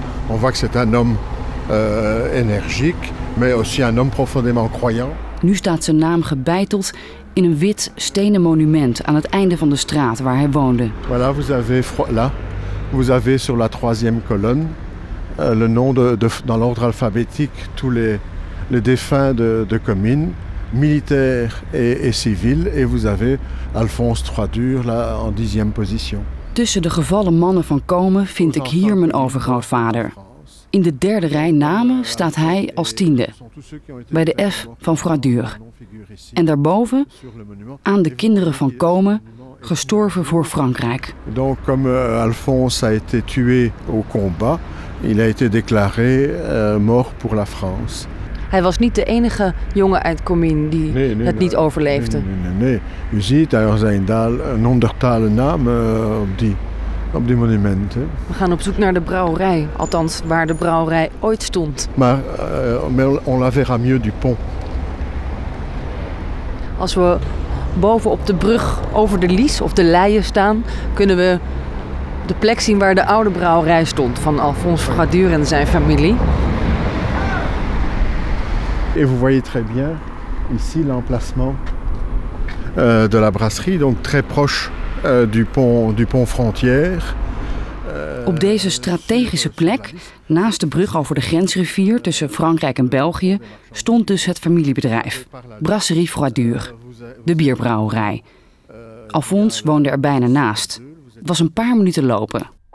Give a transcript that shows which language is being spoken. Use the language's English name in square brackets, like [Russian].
[French] On voit que c'est un homme énergique, mais aussi un homme profondément croyant. [Dutch] Nu staat zijn naam gebeiteld in een wit stenen monument aan het einde van de straat waar hij woonde. [French] Voilà, vous avez là, vous avez sur la troisième colonne le nom de dans l'ordre alphabétique tous les défunts de Comines. Militair et civil, et vous avez Alphonse Fradur là en 10e position. [Dutch] Tussen de gevallen mannen van Comen vind ik hier mijn overgrootvader. In de derde rij namen staat hij als 10e, bij de F van Fradur. En daarboven, aan de kinderen van Comen, gestorven voor Frankrijk. [French] Donc, comme Alphonse a été tué au combat, il a été déclaré mort pour la France. [Dutch] Hij was niet de enige jongen uit Comines die niet overleefde. Nee. U ziet, er zijn daar een honderdtal namen op die monumenten. We gaan op zoek naar de brouwerij, althans waar de brouwerij ooit stond. Maar [French] on la verra mieux du pont. [Dutch] Als we boven op de brug over de Lys of de Leien staan, kunnen we de plek zien waar de oude brouwerij stond van Alphonse Fradure en zijn familie. [French] Et vous voyez très bien ici l'emplacement de la brasserie, donc très proche du pont frontière. [Dutch] Op deze strategische plek, naast de brug over de grensrivier tussen Frankrijk en België, stond dus het familiebedrijf, Brasserie Froidure, de bierbrouwerij. Alphonse woonde er bijna naast. Het was een paar minuten lopen.